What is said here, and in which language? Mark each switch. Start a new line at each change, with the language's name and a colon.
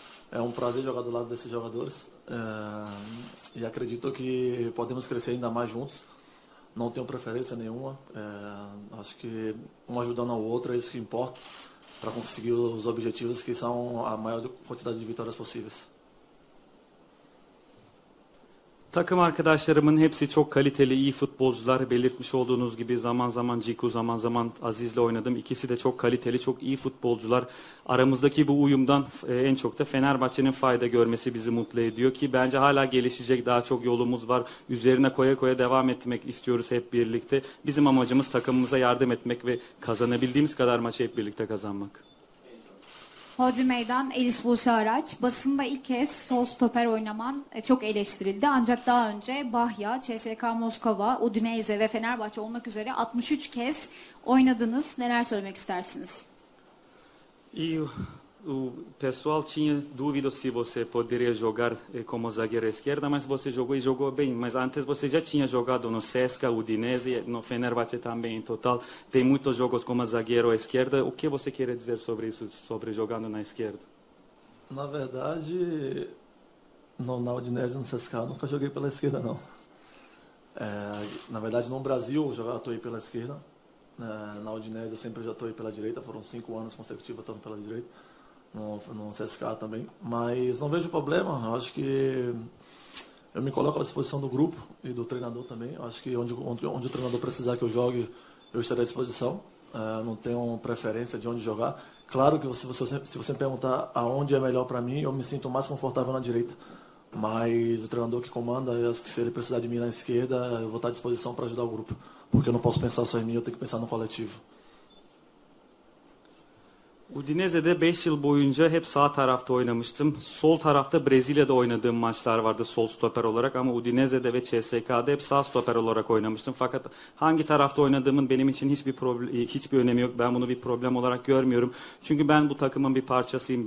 Portuguese: É um prazer jogar do lado desses jogadores. E acredito que podemos crescer ainda mais juntos. Não tenho preferência nenhuma. Acho que um ajudando ao outro é isso que importa para conseguir os objetivos, que são a maior quantidade de vitórias possíveis.
Turkish: Takım arkadaşlarımın hepsi çok kaliteli, iyi futbolcular. Belirtmiş olduğunuz gibi zaman zaman Ciku, zaman zaman Aziz'le oynadım. İkisi de çok kaliteli, çok iyi futbolcular. Aramızdaki bu uyumdan en çok da Fenerbahçe'nin fayda görmesi bizi mutlu ediyor ki bence hala gelişecek, daha çok yolumuz var. Üzerine koya koya devam etmek istiyoruz hep birlikte. Bizim amacımız takımımıza yardım etmek ve kazanabildiğimiz kadar maçı hep birlikte kazanmak. Hodri Meydan, Elis Buse Araç. Basında ilk kez sol stoper oynaman çok eleştirildi. Ancak daha önce Bahya, CSKA Moskova, Udinese ve Fenerbahçe olmak üzere 63 kez oynadınız. Neler söylemek istersiniz?
Portuguese: O pessoal tinha dúvida se você poderia jogar como zagueiro esquerda, mas você jogou e jogou bem. Mas antes você já tinha jogado no CSKA, Udinese, no Fenerbahçe também em total. Tem muitos jogos como zagueiro esquerda. O que você queria dizer sobre isso, sobre jogando na esquerda? Na verdade, na Udinese, no CSKA, eu nunca joguei pela esquerda, não. Na verdade, no Brasil, eu já atuei pela esquerda. Na Udinese, eu sempre já atuei pela direita. Foram 5 anos consecutivos atuando pela direita. No CSKA também, mas não vejo problema. Eu acho que eu me coloco à disposição do grupo e do treinador também. Eu acho que onde o treinador precisar que eu jogue, eu estarei à disposição. Não tenho preferência de onde jogar. Claro que se você perguntar aonde é melhor para mim, eu me sinto mais confortável na direita. Mas o treinador que comanda, eu acho que se ele precisar de mim na esquerda, eu vou estar à disposição para ajudar o grupo, porque eu não posso pensar só em mim, eu tenho que pensar no coletivo.
Turkish: Udinese'de 5 yıl boyunca hep sağ tarafta oynamıştım. Sol tarafta Brezilya'da oynadığım maçlar vardı sol stoper olarak. Ama Udinese'de ve CSKA'da hep sağ stoper olarak oynamıştım. Fakat hangi tarafta oynadığımın benim için hiçbir önemi yok. Ben bunu bir problem olarak görmüyorum. Çünkü ben bu takımın bir parçasıyım.